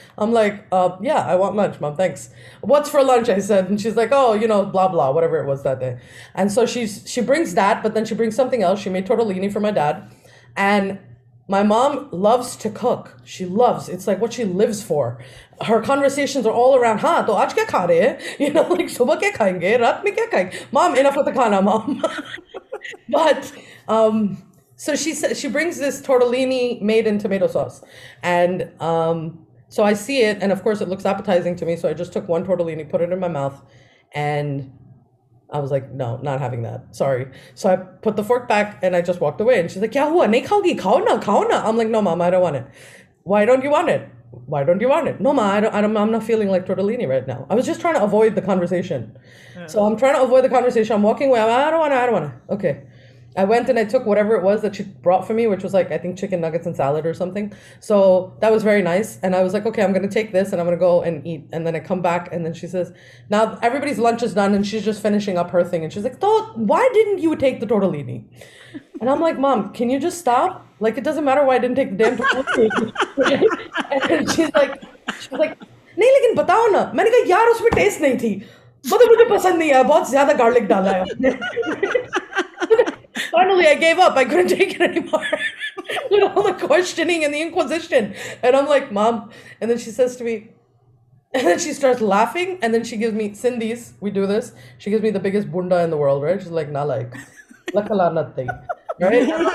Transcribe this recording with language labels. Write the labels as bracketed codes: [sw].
[en] I'm like, yeah, I want lunch, mom. Thanks. What's for lunch? I said. And she's like, oh, you know, blah, blah, whatever it was that day. And so she brings that, but then she brings something else. She made tortellini for my dad. And my mom loves to cook. She loves. It's like what she lives for. Her conversations are all around, huh, तो आज क्या खा रहे है? You know, like, सुबह क्या खायेंगे? रात में क्या खायेंगे? Mom, enough with the khana, mom. But, so she brings this tortellini made in tomato sauce. And so I see it, and of course it looks appetizing to me. So I just took one tortellini, put it in my mouth, and I was like, no, not having that. Sorry. So I put the fork back and I just walked away. And she's like, kya hua? Nahi khaogi? Khao na, khao na. I'm like, no, mom, I don't want it. Why don't you want it? Why don't you want it? No, ma, I'm not feeling like tortellini right now. I was just trying to avoid the conversation. Yeah. So I'm trying to avoid the conversation. I'm walking away. I don't want it. Okay. I went and I took whatever it was that she brought for me, which was like, I think chicken nuggets and salad or something. So that was very nice. And I was like, okay, I'm going to take this and I'm going to go and eat. And then I come back and then she says, now everybody's lunch is done and she's just finishing up her thing. And she's like, why didn't you take the tortellini? And I'm like, mom, can you just stop? Like, it doesn't matter why I didn't take the damn tortellini. [hi] And she's like, नहीं लेकिन बताओ ना. मैंने कहा यार उसमे test नहीं थी. मुझे मुझे पसंद नहीं आया. बहुत ज़्यादा गार्लिक डाला है. [en] Finally, I gave up. I couldn't take it anymore. With all the questioning and the inquisition. And I'm like, mom. And then she says to me, and then she starts laughing. And then she gives me, Cindy's, we do this. She gives me the biggest bunda in the world, right? She's like, lakala nothing. Right?